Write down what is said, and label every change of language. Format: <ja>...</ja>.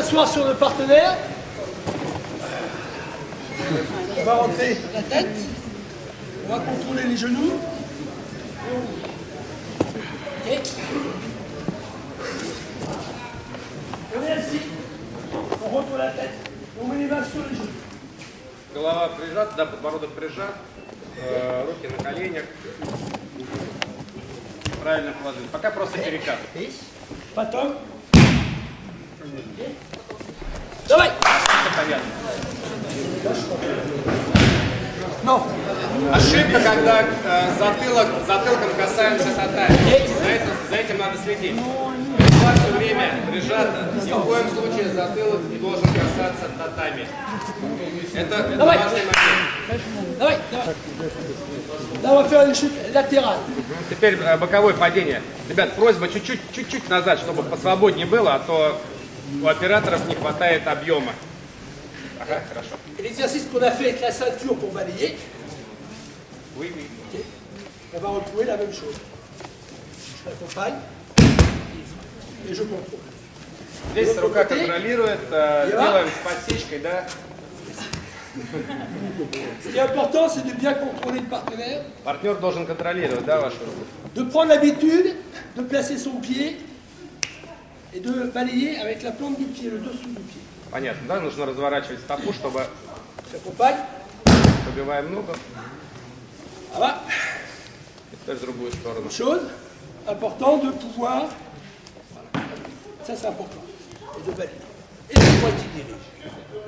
<fr>Sur le partenaire, on va rentrer la tête, on va contrôler les genoux. Okay. On est assis, on retourne la tête, on met les mains sur les genoux.</fr> <ru>Голова прижата, да, подбородок прижат, руки на коленях. Правильно положили. Пока просто перекат. Потом. Давай! Но. Ошибка, когда затылком касаемся татами. За этим надо следить. Но, все время прижато. Ни в коем случае затылок не должен касаться татами. Это важный момент. Давай. Теперь боковое падение. Ребят, просьба чуть-чуть назад, чтобы посвободнее было, а то у операторов не хватает объема.</ru> <fr>Ah, l'exercice qu'on a fait avec la ceinture pour balayer. Oui. Okay. On va retrouver la même chose. Je l'accompagne. Et je contrôle.</fr> <ru>Здесь рука контролирует, делаем с подсечкой, да?</ru> <fr>Ce qui est important, c'est de bien contrôler le partenaire.</fr> <ru>Партнер должен контролировать, да, вашу руку.</ru> <fr>De prendre l'habitude de placer son pied et de balayer avec la plante du pied, le dessous du pied.</fr> <ru>Понятно, да? Нужно разворачивать стопу, чтобы побиваем ногу. Ага. И теперь в другую сторону.</ru> <fr>Chose importante de pouvoir. Ça c'est important. Et de balayer. Et de pointer les genoux.</fr>